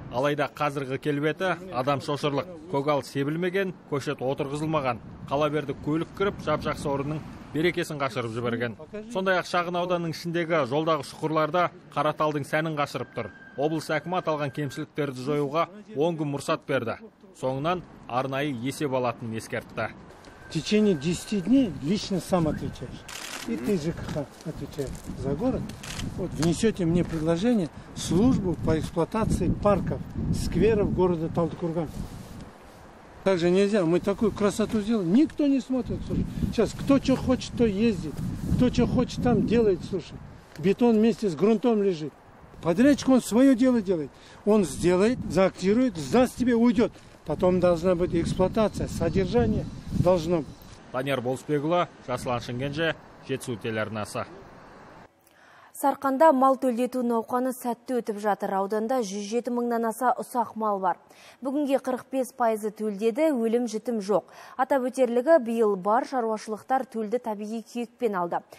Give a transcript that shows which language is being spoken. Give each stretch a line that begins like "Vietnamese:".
Kazakh: Алайда қазіргі келбеті адам шошырлық. Көгал себілмеген, көшет отырғызылмаған. Қала берді көлік кіріп, жап-жақсы орынның берекесін қашырып жіберген. Сондай-ақ шағын ауданның ішіндегі жолдағы шұқырларда қараталдың сәнін қашырып тұр. Облыс әкімі аталған кемшіліктерді жоюға 10 күн мұрсат берді. Соңынан арнайы есеп алатынын ескертті.
Russian: В течение 10 дней лично сам отвечаешь. И ты ЖКХ отвечаешь за город. Вот внесете мне предложение службу по эксплуатации парков, скверов города Талдыкурган. Так же нельзя. Мы такую красоту сделали. Никто не смотрит. Слушай. Сейчас кто что хочет, то ездит. Кто что хочет, там делает. Слушай, бетон вместе с грунтом лежит. Подрядчик, он свое дело делает. Он сделает, заактирует, сдаст тебе, уйдет. Потом должна быть эксплуатация, содержание должно быть.
Kazakh: Данияр Болысбекұлы, Жасұлан Шымкенже, Жетісу телеарнасы. Сарқанда мал төлдету науқаны сәтті өтіп жатыр. Ауданда 107 мыңнан аса ұсақ мал бар. Бүгінге 45% төлдеді, өлім жітім жоқ. Атап өтерлігі, биыл бар шаруашылықтар төлді табиғи күйікпен алды.